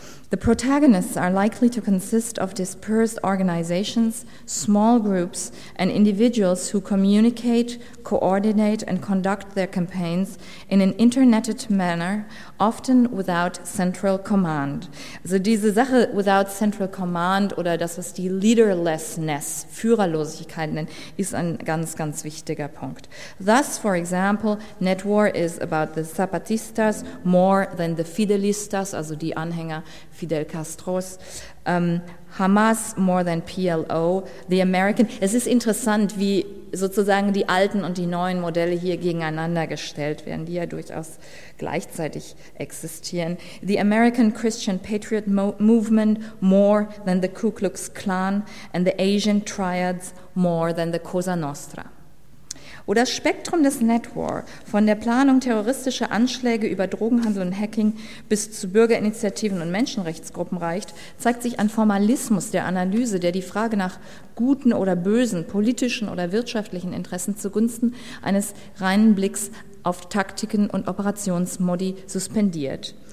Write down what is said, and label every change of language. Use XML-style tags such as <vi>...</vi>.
<en>The protagonists are likely to consist of dispersed organizations, small groups, and individuals who communicate, coordinate, and conduct their campaigns in an interneted manner, often without central command.</en> <de>Also diese Sache</de> <en>without central command</en> <de>oder das, was die leaderlessness, Führerlosigkeit nennen, ist ein ganz, ganz wichtiger Punkt.</de> <en>Thus, for example, Netwar is about the Zapatistas more than the Fidelistas,</en> <de>also die Anhänger Fidel Castros,</de> <en>Hamas more than PLO, the American.</en> <de>Es ist interessant, wie sozusagen die alten und die neuen Modelle hier gegeneinander gestellt werden, die ja durchaus gleichzeitig existieren.</de> <en>The American Christian Patriot Movement more than the Ku Klux Klan and the Asian Triads more than the Cosa Nostra.</en> <de>Wo das Spektrum des Netwar von der Planung terroristischer Anschläge über Drogenhandel und Hacking bis zu Bürgerinitiativen und Menschenrechtsgruppen reicht, zeigt sich ein Formalismus der Analyse, der die Frage nach guten oder bösen politischen oder wirtschaftlichen Interessen zugunsten eines reinen Blicks auf Taktiken und Operationsmodi suspendiert.</de>